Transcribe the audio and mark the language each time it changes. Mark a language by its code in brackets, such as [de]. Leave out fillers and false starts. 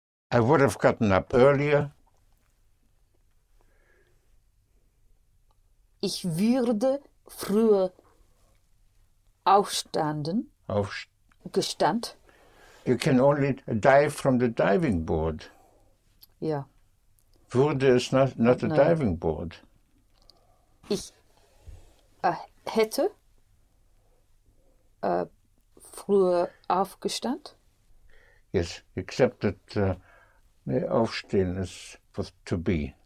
[en] I would have gotten up earlier. [de] Ich würde früher aufstanden. Gestand. [en] You can only dive from the diving board. [de] Ja. Würde ist [en] not a diving board. [de] Ich hätte früher aufgestanden. [en] Yes, except that aufstehen is for to be.